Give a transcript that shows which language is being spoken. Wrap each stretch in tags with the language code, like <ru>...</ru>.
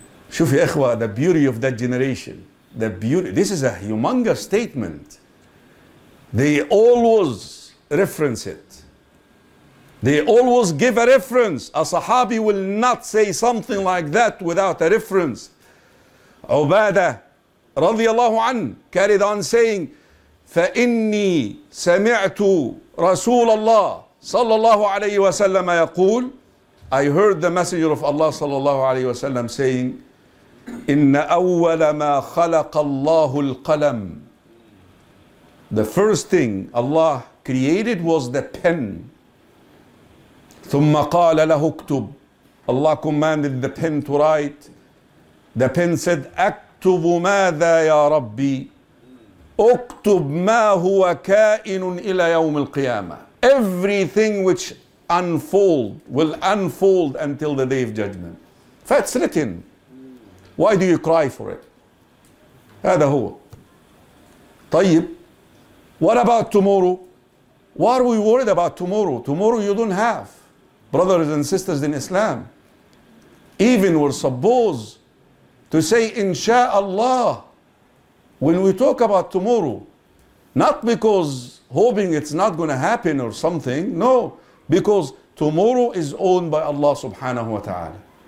<en>Shufi ikhwa, the beauty of that generation. The beauty. This is a humongous statement. They always reference it. They always give a reference. A sahabi will not say something like that without a reference.</en> <ar>Ubadah</ar> <en>radiyallahu anhu carried on saying,</en> <ar>فَإِنِّي سَمِعْتُ رَسُولَ اللَّهِ صَلَّى اللَّهُ عَلَيْهِ وَسَلَّمَ يَقُولُ.</ar> <en>I heard the messenger of Allah صلى الله عليه وسلم saying,</en> <ar>إِنَّ أَوَّلَ مَا خَلَقَ اللَّهُ الْقَلَمُ.</ar> <en>The first thing Allah created was the pen.</en> <ar>ثُمَّ قَالَ لَهُ اكْتُبْ.</ar> <en>Allah commanded the pen to write. The pen said,</en> <ar>أَكْتُبُ مَاذَا يَا رَبِّي أُكْتُبْ مَا هُوَ كَائِنٌ إِلَى يَوْمِ الْقِيَامَةِ.</ar> <en>Everything which unfold will unfold until the day of judgment. That's written. Why do you cry for it?</en> <ar>هذا هو. طيب.</ar> <en>What about tomorrow? Why are we worried about tomorrow? Tomorrow you don't have. Brothers and sisters in Islam, even we're supposed to say insha'Allah when we talk about tomorrow, not because hoping it's not going to happen or something, no, because tomorrow is owned by Allah subhanahu wa ta'ala.</en>